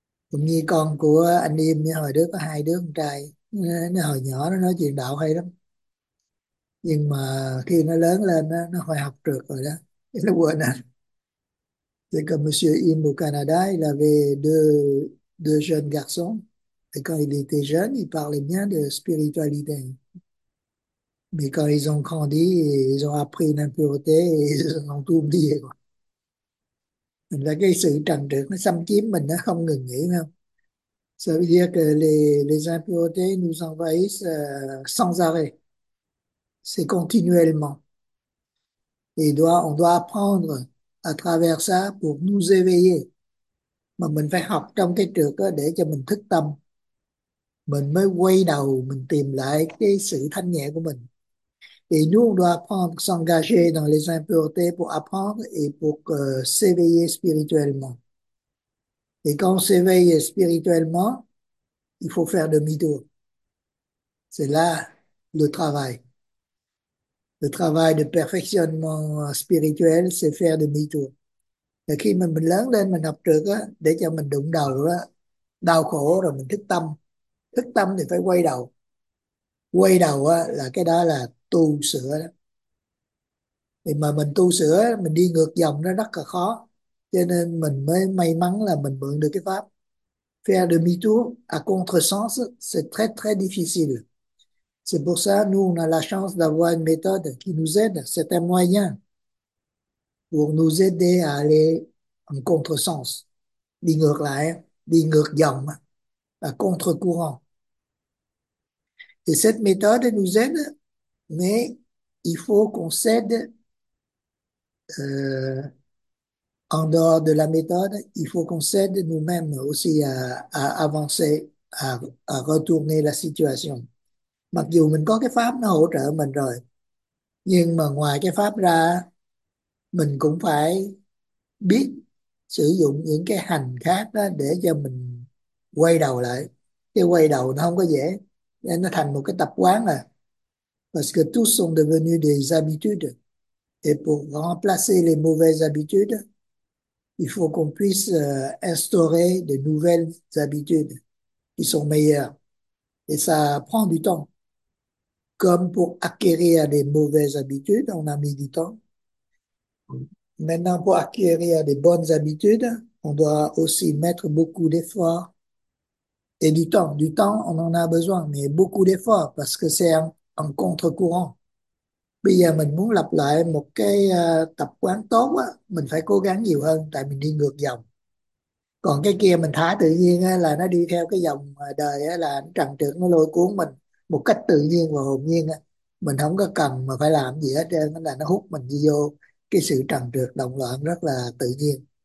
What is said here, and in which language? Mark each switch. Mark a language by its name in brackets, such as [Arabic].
[Vietnamese] Cũng như con của anh em như hồi đứa có hai đứa con trai, nó hồi nhỏ nó nói chuyện đạo hay lắm, nhưng mà khi nó lớn lên nó phải học trượt rồi đó, nó quên anh. Thì cầm [French] Monsieur Im au Canada [Vietnamese] là về [French] deux jeunes garçons. Et quand il était jeune, il parlait bien de spiritualité. Mais quand ils ont grandi, ils ont appris l'impureté et ils ont tout oublié. [Vietnamese] Mình là cái sự trần trượt nó xâm chiếm mình, nó không ngừng nghỉ, phải không? [French] Ça veut dire que les impuretés nous envahissent sans arrêt. C'est continuellement. Et on doit apprendre à travers ça pour nous éveiller. [Vietnamese] Mà mình phải học trong cái trượt đó để cho mình thức tâm. Mình mới quay đầu, mình tìm lại cái sự thanh nhẹ của mình. [French] Et nous, on doit apprendre, s'engager dans les impuretés pour apprendre et pour s'éveiller spirituellement. Et quand on s'éveille spirituellement, il faut faire demi-tour. C'est là le travail. Le travail de perfectionnement spirituel, c'est faire demi-tour. [Vietnamese] Et khi mình lớn lên, mình học trượt á, để cho mình đụng đầu á, đau khổ rồi mình thức tâm. Thức tâm thì phải quay đầu. Quay đầu á, là cái đó là tu sửa đó. Thì mà mình tu sửa, mình đi ngược dòng nó rất là khó. Cho nên mình mới may mắn là mình mượn được cái pháp. [French] Faire demi-tour à contre-sens, c'est très très difficile. C'est pour ça, nous, on a la chance d'avoir une méthode qui nous aide. C'est un moyen pour nous aider à aller en contre-sens. [Vietnamese] Đi ngược lại, đi ngược dòng, [French] à contre-courant. Et cette méthode nous aide, mais il faut qu'on s'aide en dehors de la méthode, il faut qu'on s'aide nous-mêmes aussi à avancer, à retourner la situation. [Vietnamese] Mặc dù mình có cái pháp nó hỗ trợ mình rồi, nhưng mà ngoài cái pháp ra, mình cũng phải biết sử dụng những cái hành khác đó để cho mình quay đầu lại. Cái quay đầu nó không có dễ, nên nó thành một cái tập quán rồi. [French] Parce que tous sont devenus des habitudes. Et pour remplacer les mauvaises habitudes, il faut qu'on puisse instaurer de nouvelles habitudes qui sont meilleures. Et ça prend du temps. Comme pour acquérir des mauvaises habitudes, on a mis du temps. Maintenant, pour acquérir des bonnes habitudes, on doit aussi mettre beaucoup d'efforts et du temps. Du temps, on en a besoin, mais beaucoup d'efforts parce que c'est en contre-courant. [Vietnamese] Bây giờ mình muốn lặp lại một cái tập quán tốt á, mình phải cố gắng nhiều hơn tại mình đi ngược dòng. Còn cái kia mình thả tự nhiên á, là nó đi theo cái dòng đời á, là trần trượt nó lôi cuốn mình một cách tự nhiên và hồn nhiên á. Mình không có cần mà phải làm gì hết trơn, là nó hút mình đi vô cái sự trần trượt động loạn rất là tự nhiên.